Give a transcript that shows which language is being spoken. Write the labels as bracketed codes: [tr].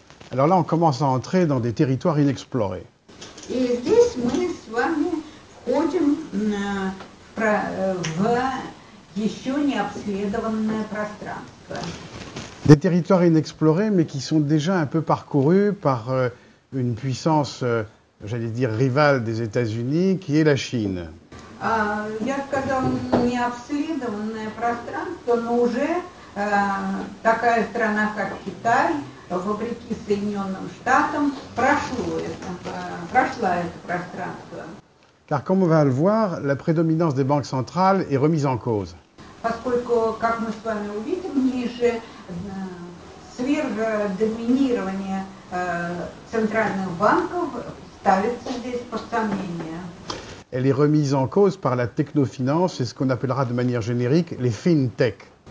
[fr] Alors là, on commence à entrer dans des territoires inexplorés. [ru] И здесь мы с вами входим в еще не обследованное пространство. [fr] Des territoires inexplorés, mais qui sont déjà un peu parcourus par une puissance, j'allais dire, rivale des États-Unis, qui est la Chine. [ru] Я сказала, не обследованное пространство, но уже такая страна, как Китай, вопреки Соединенным Штатам, прошла это пространство. [fr] Car comme on va le voir, la prédominance des banques centrales est remise en cause. [ru] Поскольку, как мы с вами увидим ниже, сверхдоминирование центральных банков ставится здесь под сомнение. [fr] Elle est remise en cause par la technofinance et ce qu'on appellera de manière générique les fintech.